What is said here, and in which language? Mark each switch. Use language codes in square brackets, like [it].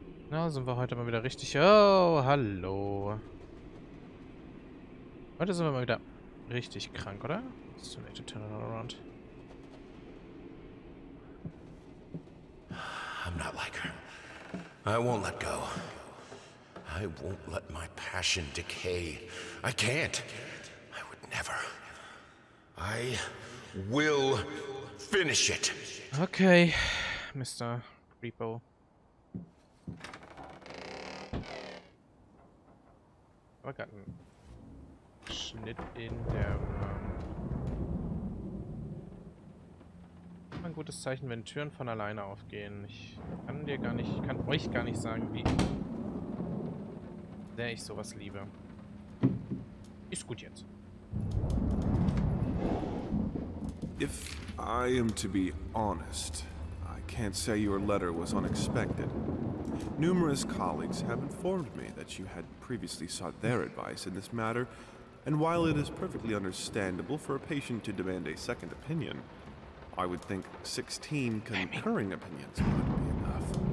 [de] Na, sind wir heute mal wieder richtig. Oh, hallo. Heute sind wir mal wieder richtig krank, oder? [en] It's too late to turn it around. I'm not like her. I won't let go. I won't let my passion decay. I can't. I would never. I will finish it. Okay, Mr. Repo. [de] Aber gerade einen Schnitt in der ein gutes Zeichen, wenn Türen von alleine aufgehen. Ich kann dir gar nicht, kann euch gar nicht sagen, wie sehr ich sowas liebe. Ist gut jetzt. [en] If I am to be honest, I can't say your letter was unexpected. Numerous colleagues have informed me that you had previously sought their advice in this matter, and while it is perfectly understandable for a patient to demand a second opinion, I would think 16 concurring opinions would be enough.